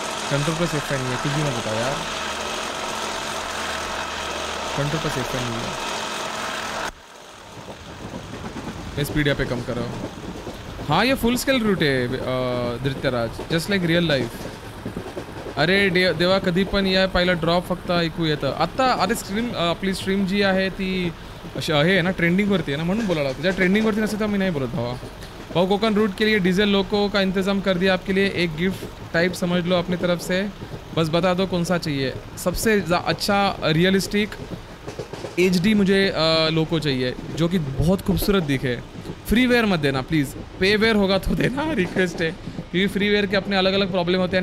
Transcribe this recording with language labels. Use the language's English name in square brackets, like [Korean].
[Hindi] Control plus F5 नहीं है, कुछ भी मैं बताया यार, कंट्रोल प्लस F5 नहीं है। मैं स्पीड यहाँ पे कम कर रहा हूँ। हाँ ये फुल स्केल रूट है धृत्यराज, [English] Just like real life. [Marathi] अरे देवा कधी पण या पहिला ड्रॉप फक्त ऐकू येतं आत्ता। अरे स्ट्रीम आपली स्ट्रीम जी आहे ती अशी आहे ना, ट्रेंडिंगवरती आहे ना म्हणून बोलायला होतं, ज्या ट्रेंडिंगवरती नसते तर मी नाही बोलत भावा। [Hindi] भाऊ कोकण रूट के लिए डिझेल लोको का इंतजाम कर दिया आपके लिए, एक गिफ्ट टाइप समझ लो अपनी तरफ से, बस बता दो कौन सा चाहिए। सबसे अच्छा रियलिस्टिक HD मुझे लोको चाहिए जो कि बहुत खूबसूरत दिखे। फ्री वेयर मत देना प्लीज़, पे वेयर होगा तो देना, रिक्वेस्ट है, क्योंकि फ्री वेयर के अपने अलग अलग प्रॉब्लम होते हैं।